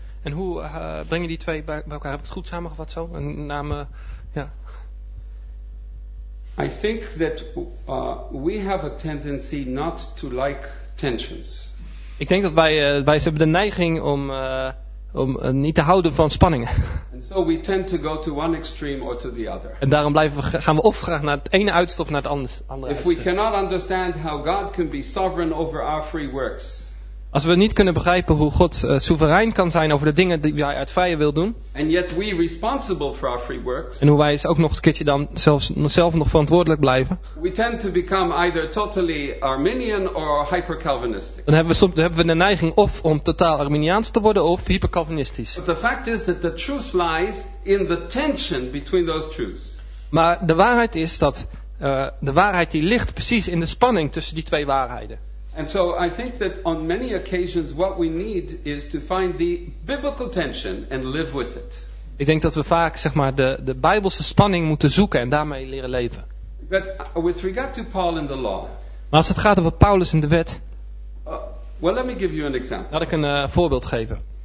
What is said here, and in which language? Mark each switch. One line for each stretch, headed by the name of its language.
Dutch: En hoe breng je die twee bij elkaar? Heb ik het goed samengevat zo? En namen, ja.
English: I think that we have a tendency not to like tensions.
Dutch: Ik denk dat wij hebben de neiging om niet te houden van spanningen.
English: And so we tend to go to one extreme or to the other.
Dutch: En daarom gaan we of graag naar het ene uiterste of naar het andere uiterste.
English: If we cannot understand how God can be sovereign over our free works.
Dutch: Als we niet kunnen begrijpen hoe God soeverein kan zijn over de dingen die wij uit vrije wil doen.
English: And yet we responsible for our free works.
Dutch: En hoe wij ook nog een keertje dan zelf nog verantwoordelijk blijven.
English: We tend to become either totally Arminian or hyper-Calvinistic.
Dutch: Dan hebben we de neiging of om totaal Arminiaans te worden of hyper-Calvinistisch.
English: But the fact is that the truth lies in the tension between those truths.
Dutch: Maar de waarheid is dat de waarheid die ligt precies in de spanning tussen die twee waarheden.
English: And so I think that on many occasions what we need is to find the biblical tension and live with it.
Dutch: Ik denk dat we vaak zeg maar de Bijbelse spanning moeten zoeken en daarmee leren leven.
English: But with regard to Paul and the law.
Dutch: Maar als het gaat over Paulus en de wet.
English: Well, let me give you an example.
Dutch: Laat ik een voorbeeld geven.